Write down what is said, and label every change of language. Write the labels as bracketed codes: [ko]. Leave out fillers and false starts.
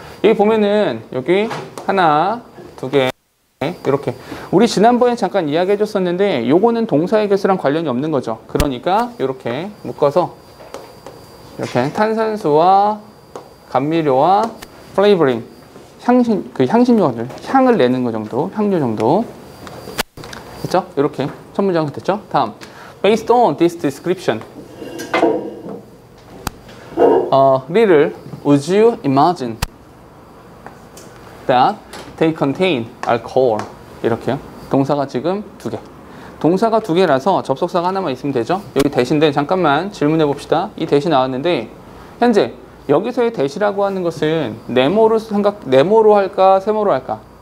[ko] 여기 보면은 여기 하나, 두 개. 이렇게 우리 지난번에 잠깐 이야기해 줬었는데 요거는 동사의 개수랑 관련이 없는 거죠. 그러니까 이렇게 묶어서 이렇게 탄산수와 감미료와 플레이버링 향신 그 향신료들 향을 내는 거 정도 향료 정도 됐죠? 이렇게 첫 문장 됐죠? 다음 [en] based on this description, 리를 would you imagine that they contain alcohol. [ko] 이렇게요. 동사가 지금 두 개. 동사가 두 개라서 접속사가 하나만 있으면 되죠. 여기 대신데 잠깐만 질문해 봅시다. 이 대시 나왔는데 현재 여기서의 대시라고 하는 것은 네모로 할까 세모로 할까?